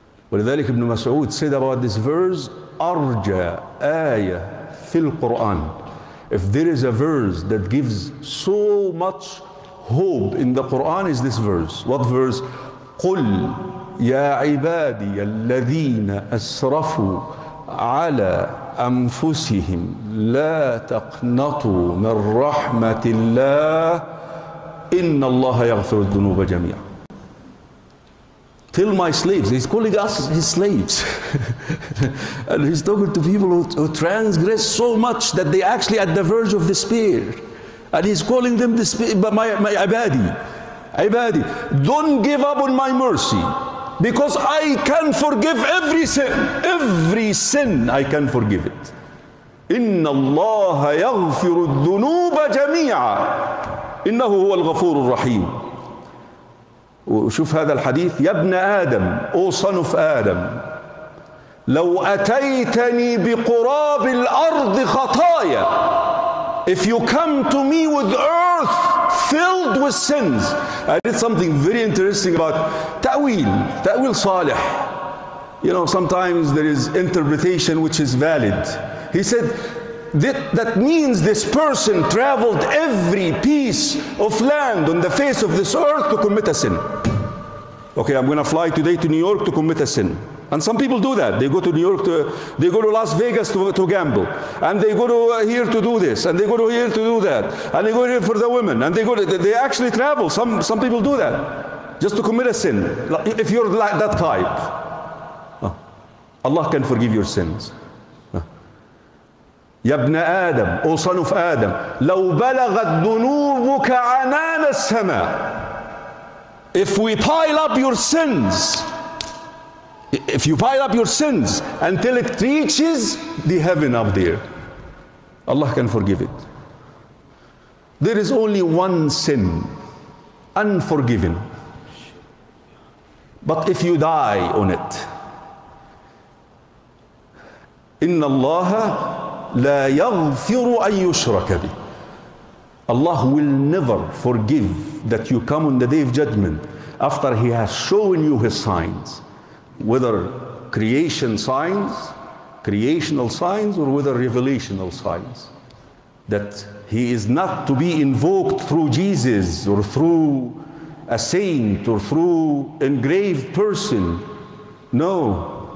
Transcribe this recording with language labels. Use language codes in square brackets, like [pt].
[ar] ولذلك ابن مسعود [en] said about this verse, [ar] أرجى آية في القرآن. [en] If there is a verse that gives so much hope in the Quran, is this verse. What verse? [ar] قل يا عبادي الذين أسرفوا على أنفسهم لا تقنطوا من رحمة الله إن الله يغفر الذنوب جميعا. [en] Tell my slaves, he's calling us his slaves. And he's talking to people who transgress so much that they actually at the verge of despair. And he's calling them my ibadi. Ibadi, don't give up on my mercy. Because I can forgive every sin. Every sin I can forgive it. [ar] إِنَّ اللَّهَ يَغْفِرُ الذُّنُوبَ جَمِيعًا إِنَّهُ هُوَ الْغَفُورُ الرَّحِيمُ. وشوف هذا الحديث. يا ابن آدم, أو صن في آدم, لو أتيتني بقراب الأرض خطايا. [en] If you come to me with earth filled with sins. I did something very interesting about تأويل. [ar] تأويل صالح. [en] You know, sometimes there is interpretation which is valid. He said, that means this person traveled every piece of land on the face of this earth to commit a sin. Okay, I'm going to fly today to New York to commit a sin. And some people do that. They go to New York, they go to Las Vegas to gamble. And they go to here to do this. And they go to here to do that. And they go here for the women. And they actually travel. Some people do that just to commit a sin. If you're like that type, Allah can forgive your sins. [ar] يا ابن آدم, أو صن في آدم, لو بلغت ذنوبك عنان السماء. [en] If we pile up your sins, if you pile up your sins until it reaches the heaven up there, Allah can forgive it. There is only one sin, unforgiven. But if you die on it, [ar] إن الله لا يغفر أن يشرك به. [en] Allah will never forgive that you come on the day of judgment after he has shown you his signs, whether creation signs, creational signs, or whether revelational signs, that he is not to be invoked through Jesus or through a saint or through an engraved person. No.